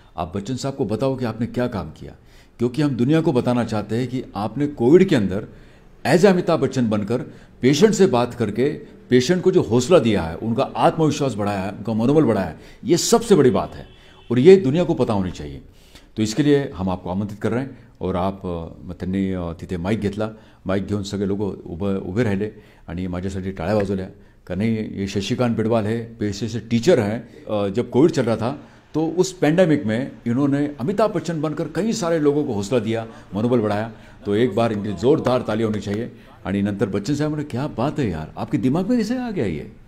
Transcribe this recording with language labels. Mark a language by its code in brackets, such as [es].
[hi] आप बच्चन साहब को बताओ कि आपने क्या काम किया, क्योंकि हम दुनिया को बताना चाहते हैं कि आपने कोविड के अंदर एज अमिताभ बच्चन बनकर पेशेंट से बात करके पेशेंट को जो हौसला दिया है, उनका आत्मविश्वास बढ़ाया है, उनका मनोबल बढ़ाया है, ये सबसे बड़ी बात है और ये दुनिया को पता होनी चाहिए। तो इसके लिए हम आपको आमंत्रित कर रहे हैं और आप [mr] मतनी तिथे माइक घेतला, माइक घेऊन सगळे लोक उभे राहिले आणि माझ्यासाठी टाळ्या वाजवल्या का नाही। [hi] ये शशिकांत बिडवाल है, पेशे से टीचर हैं। जब कोविड चल रहा था तो उस पैंडेमिक में इन्होंने अमिताभ बच्चन बनकर कई सारे लोगों को हौसला दिया, मनोबल बढ़ाया। तो एक बार इनकी जोरदार ताली होनी चाहिए। [mr] आणि नंतर [hi] बच्चन साहब बोले, क्या बात है यार, आपके दिमाग में कैसे आ गया ये?